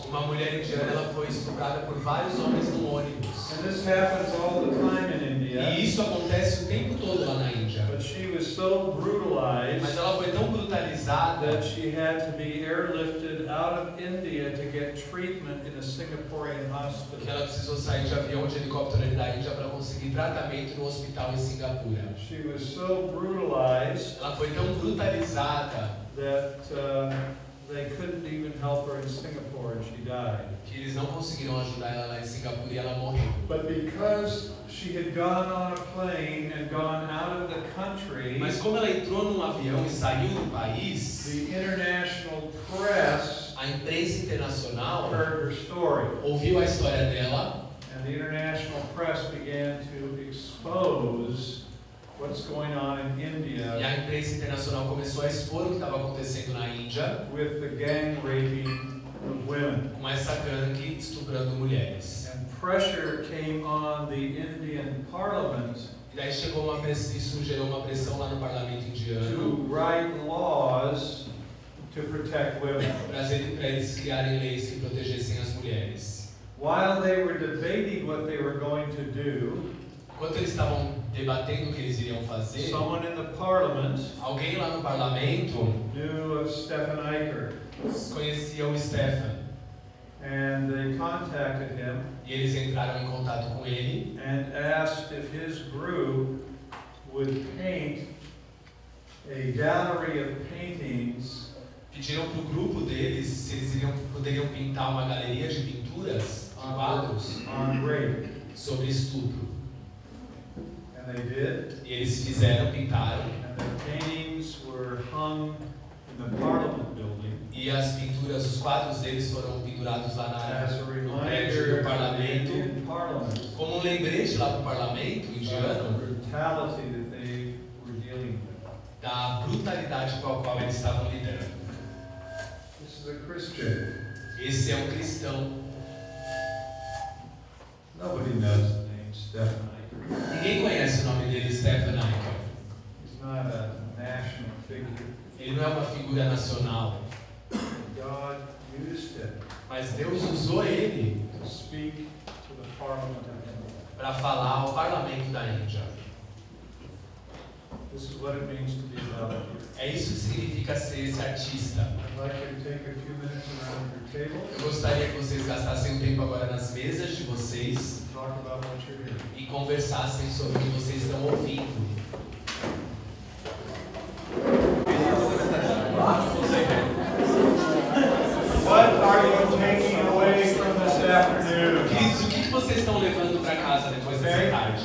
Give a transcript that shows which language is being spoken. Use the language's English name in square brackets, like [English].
[Portuguese] Uma mulher indiana, ela foi estuprada por vários homens no ônibus. [English] And this happens all the time in India. [Portuguese] E isso acontece o tempo todo lá na Índia. [English] But she was so brutalized. [Portuguese] Mas ela foi tão brutalizada [English] that she had to be airlifted out of India to get treatment in a Singaporean hospital. [Portuguese] Que ela precisou sair de avião de helicóptero da Índia para conseguir tratamento no hospital em Singapura. [English] She was so brutalized. [Portuguese] Ela foi tão brutalizada [English] that they couldn't even help her in Singapore, and she died. [Portuguese] Que eles não conseguiram ajudar ela lá em Singapura, e ela morreu. [English] But because she had gone on a plane and gone out of the country, [Portuguese] mas como ela entrou num avião e saiu do país, [English] the international press, [Portuguese] a imprensa internacional, [English] heard her story, [Portuguese] ouviu a história dela, [English] and the international press began to expose what's going on in India. [Portuguese] E a imprensa internacional começou a expor o que estava acontecendo na Índia. [English] With the gang raping of women. [Portuguese] Com essa gangue estuprando mulheres. [English] And pressure came on the Indian parliament. [Portuguese] E daí chegou uma pressão, isso gerou uma pressão lá no parlamento indiano. [English] To write laws to protect women. [Portuguese] Para eles criarem leis que protegessem as mulheres. [English] While they were debating what they were going to do, [Portuguese] enquanto eles estavam debatendo o que eles iriam fazer, [English] someone in the parliament, [Portuguese] alguém lá no parlamento, [English] knew of Stefan Eicher, [Portuguese] conhecia o Stefan, [English] and they contacted him, [Portuguese] e eles entraram em contato com ele, [English] and asked if his group would paint a gallery of paintings, [Portuguese] pediram pro grupo deles se eles iriam, poderiam pintar uma galeria de pinturas, de quadros, [English] on rape, [Portuguese] sobre estupro. [English] They did. [Portuguese] E eles fizeram, pintaram. [English] And the paintings were hung in the parliament building. [Portuguese] E as pinturas, os quadros deles foram pendurados lá na prédio do parlamento. [English] Parliament. [Portuguese] Como um lembrete lá para o parlamento indiano. [English] The brutality that they were dealing with. [Portuguese] Da brutalidade com a qual eles estavam lidando. [English] This is a Christian. [Portuguese] Esse é um cristão. [English] Nobody knows the name Stefan. [Portuguese] Ninguém conhece o nome dele, Stefan Eicher. [English] He's not a national figure. [Portuguese] Ele não é uma figura nacional. [English] God used him. [Portuguese] Mas Deus usou ele [English] to speak to the parliament of India. [Portuguese] Para falar ao parlamento da Índia. [English] This is what it means to be a lover. [Portuguese] É isso que significa ser esse artista. [English] I'd like you to take a few minutes around your table. [Portuguese] Eu gostaria que vocês gastassem um tempo agora nas mesas de vocês. [English] Talk about what you're hearing. [Portuguese] E conversassem sobre o que vocês estão ouvindo. [English] What are you taking away from this afternoon? [Portuguese] Chris, o que vocês estão levando para casa depois dessa tarde?